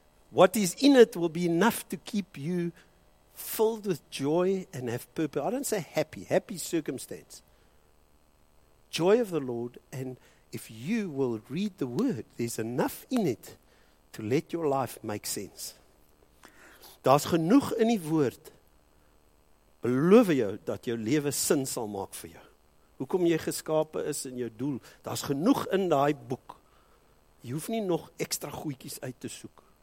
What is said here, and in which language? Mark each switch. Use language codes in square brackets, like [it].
[en] What is in it will be enough to keep you filled with joy and have purpose. I don't say happy, happy circumstance. Joy of the Lord, and if you will read the word, there's enough in it to let your life make sense. [af] Daar's genoeg in die woord. Beloof jou dat jou lewe sin sal maak vir jou. Hoekom jy geskape is en jou doel, daar's genoeg in daai boek. Jy hoef nie nog ekstra goedjies uit te soek.